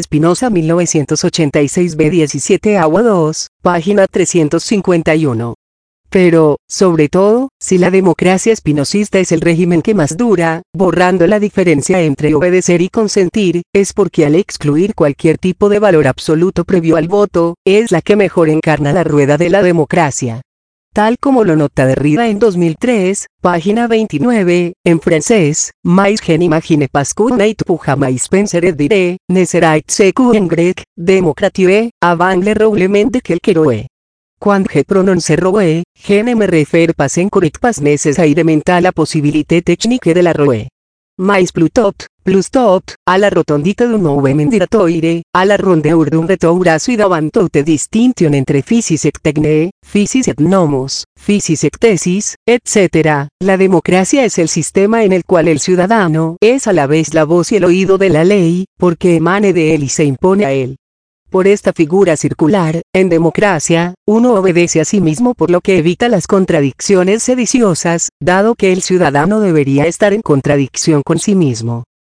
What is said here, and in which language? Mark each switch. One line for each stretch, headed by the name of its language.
Spanish: Spinoza, 1986 b. 17 a 2, página 351. Pero, sobre todo, si la democracia espinosista es el régimen que más dura, borrando la diferencia entre obedecer y consentir, es porque al excluir cualquier tipo de valor absoluto previo al voto, es la que mejor encarna la rueda de la democracia. Tal como lo nota Derrida en 2003, página 29, en francés,
French: «Mais je n'imagine pas qu'on ait pu jamais penser et dire, ne serait ce qu'en grec, démocratie, avant le roulement de quelqu'un». Quand je prononce roue, je ne me refère pas encore pas nécessairement à la possibilité technique de la roue. Mais plutôt, à la rotondité d'un mouvement giratoire, à la rondeur d'un retour acide avant toute distinction entre physis et technique, physis et nomos, physis et thesis, etc.
Spanish: La democracia es el sistema en el cual el ciudadano es a la vez la voz y el oído de la ley, porque emane de él y se impone a él. Por esta figura circular, en democracia, uno obedece a sí mismo por lo que evita las contradicciones sediciosas, dado que el ciudadano debería estar en contradicción con sí mismo.